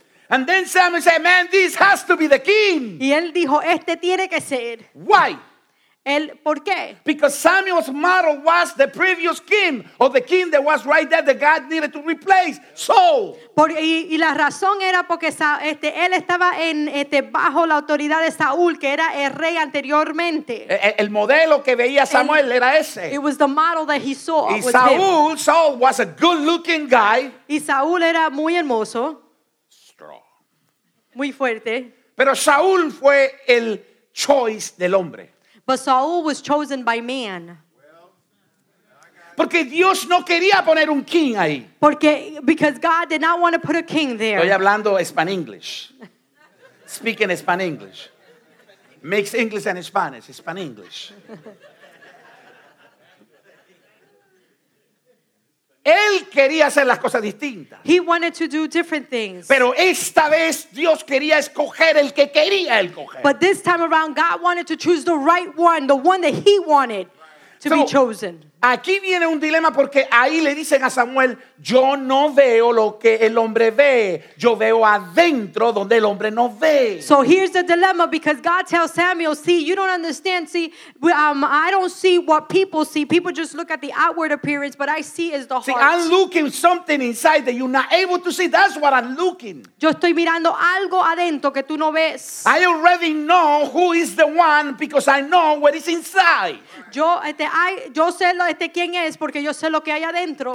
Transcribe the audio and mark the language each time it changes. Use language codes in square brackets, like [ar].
[en] And then Samuel said, "Man, this has to be the king." [es] Y él dijo, "Este tiene que ser." [en] Why? [es] El por qué? [en] Because Samuel's model was the previous king, or the king that was right there that God needed to replace. Saul. [es] Y la razón era porque él estaba en bajo la autoridad de Saúl, que era el rey anteriormente. El modelo que veía Samuel era ese. [en] It was the model that he saw. Y Saul was a good-looking guy. [es] Y Saúl era muy hermoso. [en] Strong. [es] Muy fuerte. Pero Saúl fue el choice del hombre. [en] But Saul was chosen by man. [es] Porque Dios no quería poner un king ahí. [en] Because God did not want to put a king there. [es] Estoy hablando [en] Spanish. Speaking Spanish. Mix English and Spanish. Spanish. [es] Él quería hacer las cosas distintas. [en] He wanted to do different things. [es] Pero esta vez Dios quería escoger el que quería él coger. [en] But this time around, God wanted to choose the right one, the one that he wanted to be chosen. [es] Aquí viene un dilema porque ahí le dicen a Samuel, yo no veo lo que el hombre ve. Yo veo adentro donde el hombre no ve. [en] So here's the dilemma because God tells Samuel, see, you don't understand. See, I don't see what people see. People just look at the outward appearance, but I see is the heart. See, I'm looking something inside that you're not able to see. That's what I'm looking. [es] Yo estoy mirando algo adentro que tú no ves. [en] I already know who is the one because I know what is inside. [es] Yo sé lo quién es porque yo sé lo que hay adentro.